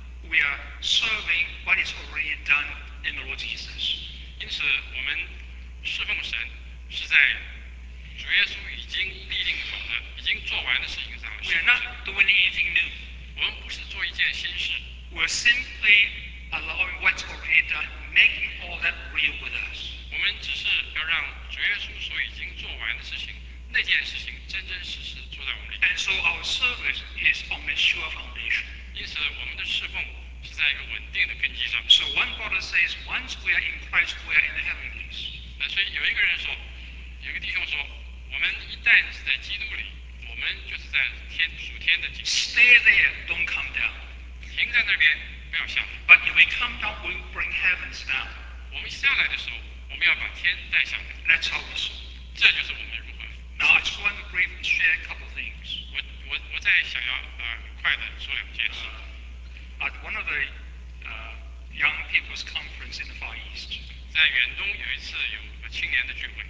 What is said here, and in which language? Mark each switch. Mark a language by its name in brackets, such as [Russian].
[English] we are serving what is already done in the Lord Jesus. [Chinese] 因此我们侍奉神是在主耶稣已经立定好的已经做完的事情上。 [English] We are not doing anything new. [Chinese] 我们不是做一件新事。 [English] We are simply allowing what's already done, making all that real with us. [Chinese] 我们只是要让主耶稣所已经做完的事情那件事情真真实实做在我们里面。 [English] And so our service is on a sure foundation. [Chinese] 因此我们的侍奉是在一个稳定的根基上。 [English] So one brother says, once we are in Christ, we are in the heavenlies. [Chinese] 所以有一个人说有一个弟兄说我们一旦是在基督里我们就是在天属天的基督。 [English] Stay there, don't come down. [Chinese] 停在那边不要下来。 [English] But if we come down, we bring heavens down. [Chinese] 我们下来的时候我们要把天带下来。 [English] That's how we saw. [Chinese] 这就是我们如何。 [English] Now I just want to briefly share a couple of things. [Chinese] 我再想要快的说两件事。 [English] At one of the young people's conference in the Far East, [Chinese] 在远东有一次有个青年的聚会。